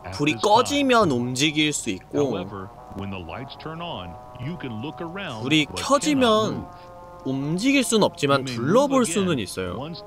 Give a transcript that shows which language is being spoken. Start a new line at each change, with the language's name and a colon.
Korean: 불이 꺼지면 움직일 수 있고.
English: However, when the lights turn on, you can look around.
Korean: 불이 켜지면 움직일 순 없지만 둘러볼 수는 있어요.